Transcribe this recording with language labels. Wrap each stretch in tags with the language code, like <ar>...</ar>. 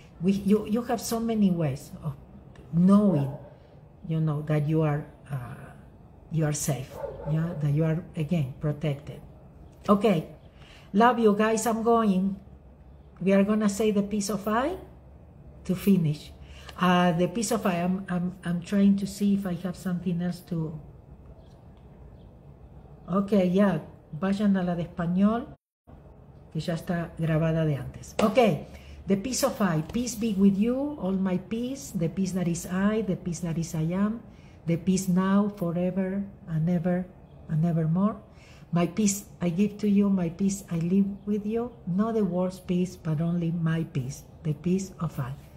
<en>You have so many ways of knowing, you know, that you are safe, yeah, that you are, again, protected. Okay, love you guys, I'm going. We are gonna say the peace of I to finish. The peace of I, I'm trying to see if I have something else to, okay, yeah.</en> <es>Vayan a la de español, que ya está grabada de antes.</es> <en>Okay, the peace of I, peace be with you, all my peace, the peace that is I, the peace that is I am, the peace now, forever, and ever, and evermore. My peace I give to you, my peace I live with you, not the world's peace, but only my peace, the peace of I.</en>